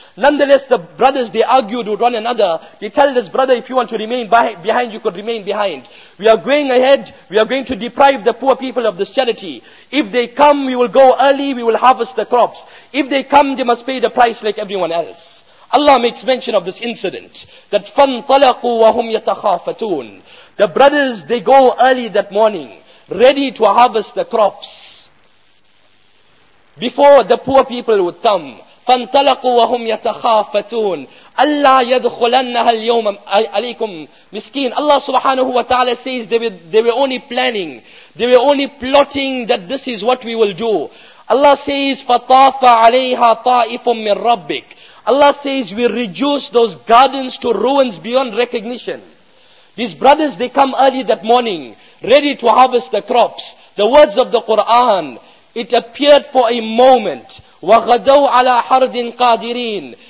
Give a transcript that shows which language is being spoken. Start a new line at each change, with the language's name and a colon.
English: Nonetheless, the brothers, they argued with one another. They tell this brother, if you want to remain behind, you could remain behind. We are going ahead. We are going to deprive the poor people of this charity. If they come, we will go early. We will harvest the crops. If they come, they must pay the price like everyone else. Allah makes mention of this incident.
Arabic: That فَانْطَلَقُوا وَهُمْ يَتَخَافَتُونَ.
English: The brothers, they go early that morning, ready to harvest the crops. Before the poor people would come.
Arabic: فَانْطَلَقُوا وَهُمْ يَتَخَافَتُونَ. Allah yadkhulannaha al-yawma alaykum miskeen.
English: Allah subhanahu wa ta'ala says they were only planning. They were only plotting that this is what we will do. Allah says,
Arabic: فَطَافَ عَلَيْهَا طَائِفٌ مِّن رَبِّكَ.
English: Allah says, we reduce those gardens to ruins beyond recognition. These brothers, they come early that morning, ready to harvest the crops. The words of the Qur'an, it appeared for a moment.
Arabic: وَغَدَوْ عَلَىٰ حَرْدٍ قَادِرِينَ.